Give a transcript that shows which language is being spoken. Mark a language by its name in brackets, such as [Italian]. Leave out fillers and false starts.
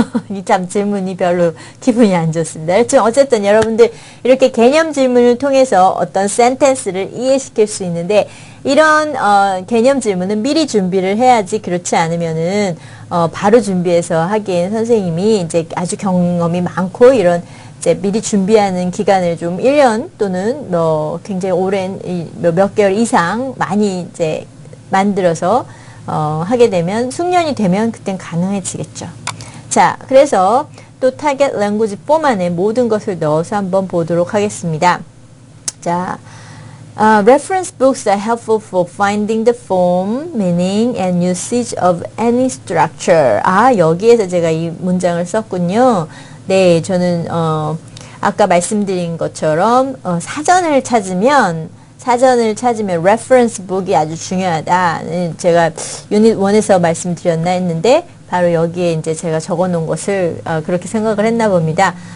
[Korean] 이 참 질문이 별로 기분이 안 좋습니다. 하여튼 어쨌든 여러분들 이렇게 개념 질문을 통해서 어떤 센텐스를 이해시킬 수 있는데 이런 개념 질문은 미리 준비를 해야지 그렇지 않으면은 바로 준비해서 하기엔 선생님이 이제 아주 경험이 많고 이런 이제 미리 준비하는 기간을 좀 1년 또는 뭐 굉장히 오랜 몇 개월 이상 많이 이제 만들어서 하게 되면 숙련이 되면 그땐 가능해지겠죠. 자, 그래서 또 타겟 랭구지 4 안에 모든 것을 넣어서 한번 보도록 하겠습니다. [English] 자, reference books are helpful for finding the form, meaning, and usage of any structure. [Korean] 아, 여기에서 제가 이 문장을 썼군요. 네, 저는 아까 말씀드린 것처럼 사전을 찾으면 reference book이 아주 중요하다. 제가 unit 1에서 말씀드렸나 했는데 바로 여기에 이제 제가 적어놓은 것을 그렇게 생각을 했나 봅니다.